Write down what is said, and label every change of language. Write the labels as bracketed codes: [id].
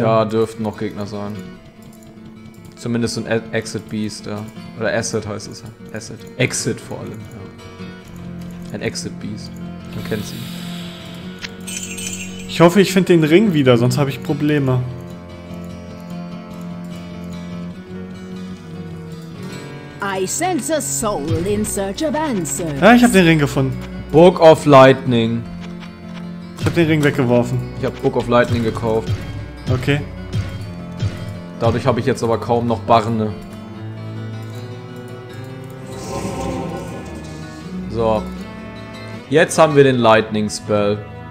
[de] Da dürften noch Gegner sein. Zumindest so ein Exit Beast, ja. Oder Acid heißt es ja. Acid. Exit vor allem, ja. Ein Exit-Beast. Man kennt sie. Ich hoffe, ich finde den Ring wieder, sonst habe ich Probleme. [en] I sense a soul in search of answers. [de] Ja, ich habe den Ring gefunden. [en] Book of Lightning. [de] Ich habe den Ring weggeworfen. Ich habe Book of Lightning gekauft. Okay. Dadurch habe ich jetzt aber kaum noch Barne. So. Jetzt haben wir den Lightning Spell.